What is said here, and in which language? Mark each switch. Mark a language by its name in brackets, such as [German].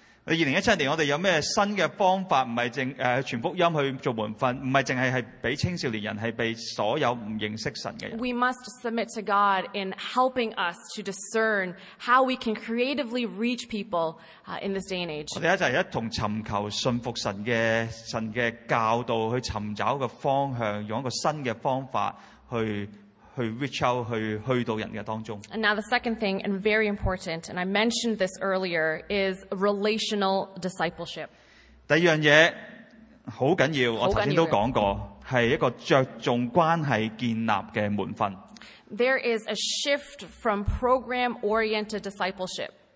[Cantonese] 2017年我哋有咩新嘅方法，唔係淨傳福音去做門訓，唔係淨係俾青少年人，係俾所有唔認識神嘅人。 [English] We must submit to God in helping us to discern how we can creatively reach people in this day and age. [Cantonese] 我哋一齊一同尋求信服神嘅教導，去尋找個方向，用一個新嘅方法去 [English] reach out [Cantonese] 去到人嘅當中。 [English] And now the second thing, and very important, and I mentioned this earlier, is relational discipleship. [Cantonese] 第二樣嘢好緊要，我頭先都講過，係一個著重關係建立嘅門訓。 [English] There is a shift from program-oriented discipleship.